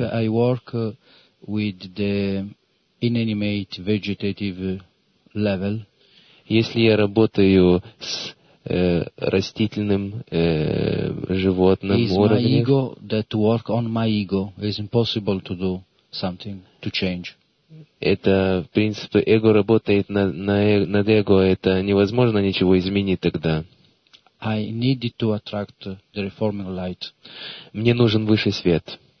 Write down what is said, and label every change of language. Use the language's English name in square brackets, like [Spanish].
[English] If I work with the inanimate vegetative level, [Russian] если я работаю с растительным животным уровнем, [English] is my ego that work on my ego, it's impossible to do something to change. [Russian] Это, в принципе, эго работает над эго, это невозможно ничего изменить тогда. [English] I need to attract the reforming light. [Russian] Мне нужен высший свет.